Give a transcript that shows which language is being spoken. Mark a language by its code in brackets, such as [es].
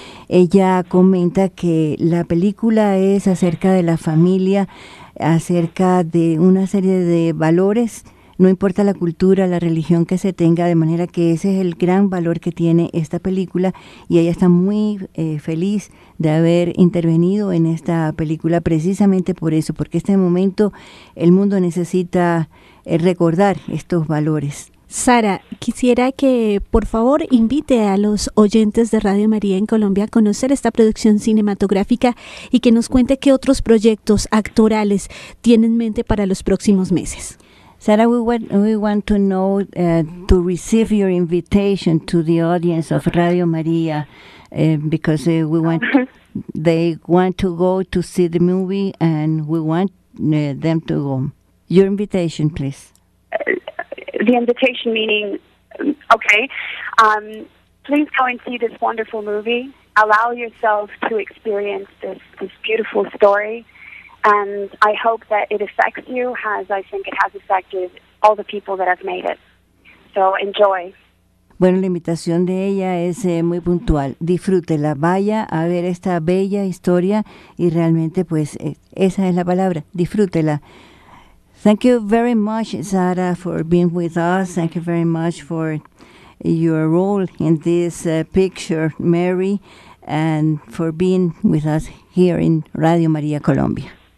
[es] Ella comenta que la película es acerca de la familia, acerca de una serie de valores, no importa la cultura, la religión que se tenga, de manera que ese es el gran valor que tiene esta película, y ella está muy feliz de haber intervenido en esta película precisamente por eso, porque este momento el mundo necesita recordar estos valores. Sara, quisiera que por favor invite a los oyentes de Radio María en Colombia a conocer esta producción cinematográfica y que nos cuente qué otros proyectos actorales tiene en mente para los próximos meses. [en] Sara, we want to know, to receive your invitation to the audience of Radio Maria, because they want to go to see the movie, and we want them to go. Your invitation, please. The invitation meaning, please go and see this wonderful movie. Allow yourself to experience this beautiful story. And I hope that it affects you as I think it has affected all the people that have made it. So enjoy. [es] Bueno, la invitación de ella es muy puntual. Disfrútela, vaya a ver esta bella historia, y realmente, pues, esa es la palabra, disfrútela. [en] Thank you very much, Sara, for being with us. Thank you very much for your role in this picture, Mary, and for being with us here in Radio María Colombia.